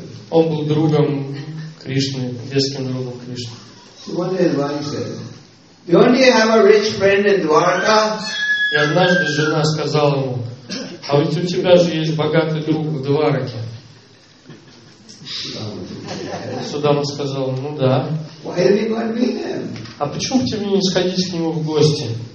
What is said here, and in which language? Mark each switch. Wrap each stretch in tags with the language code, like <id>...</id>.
<ru>Он был другом Кришны, детским другом Кришны.</ru> <en>Don't you have a rich friend in Dwarka?</en> <ru>И однажды жена сказала ему, а ведь у тебя же есть богатый друг в Двараке. Судама сказал, ну да.</ru> <en>Why did he want me then?</en> <ru>А почему тебе не сходить к нему в гости?</ru>